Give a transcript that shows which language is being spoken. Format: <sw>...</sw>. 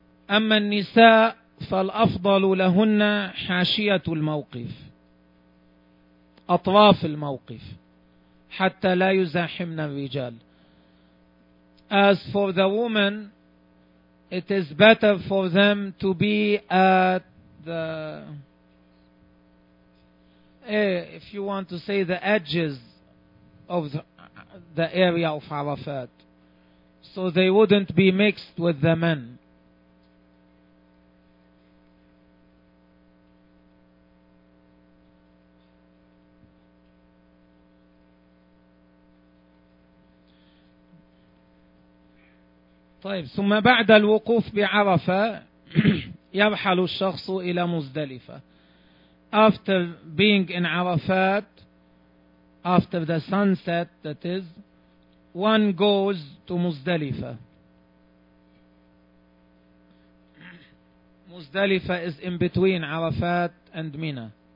<ar>أما النساء فالأفضل لهن حاشية الموقف, أطراف الموقف, حتى لا يزاحمن الرجال.</ar> <en>As for the woman, it is better for them to be at the, if you want to say, the edges of the area of Arafat, so they wouldn't be mixed with the men.</en> <ar>طيب ثم بعد الوقوف بعرفة يرحل الشخص إلى مزدلفة.</ar> <en>After being in عرفات, after the sunset that is, one goes to مزدلفة. مزدلفة is in between عرفات and منى.</en>